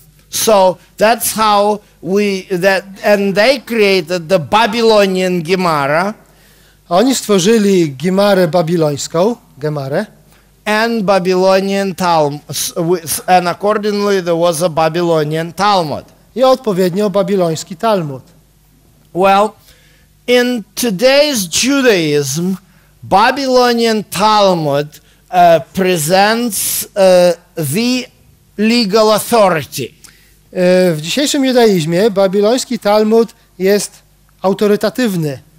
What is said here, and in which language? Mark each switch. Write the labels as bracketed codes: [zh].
[en] So that's how and they created the Babylonian Gemara. [pl] Oni stworzyli Gemarę babilońską, Gemarę. [en] And Babylonian Talmud, and accordingly there was a Babylonian Talmud. [pl] I odpowiednio babiloński Talmud. [en] Well, in today's Judaism, Babylonian Talmud presents the legal authority. [pl] W dzisiejszym judaizmie babiloński Talmud jest autorytatywny.